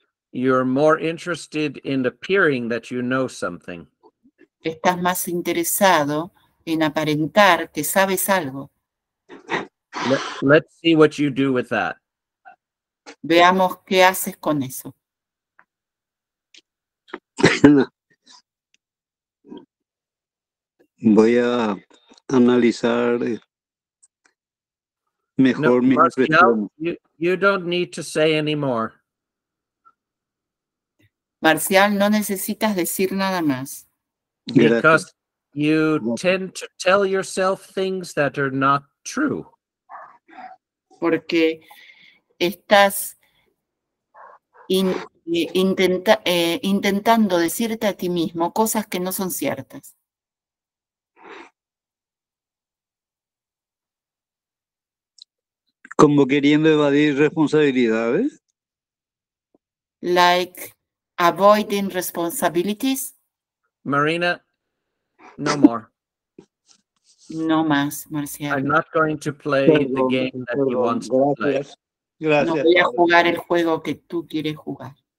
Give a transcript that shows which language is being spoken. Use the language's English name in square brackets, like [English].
[English] You're more interested in appearing that you know something. [Spanish] Estás más interesado en aparentar que sabes algo. [English] Let's see what you do with that. [Spanish] Veamos qué haces con eso. Voy a analizar mejor mi [English] expresión. You don't need to say anymore. [Spanish] Marcial, no necesitas decir nada más. [English] Because you tend to tell yourself things that are not true. [Spanish] Porque estás intentando decirte a ti mismo cosas que no son ciertas. Como queriendo evadir responsabilidades. [English] Like avoiding responsibilities. Marina, no more. [Spanish] No más, Marcial. [English] I'm not going to play the game that he wants to play. [Spanish] Gracias. No voy a jugar el juego que tú quieres jugar.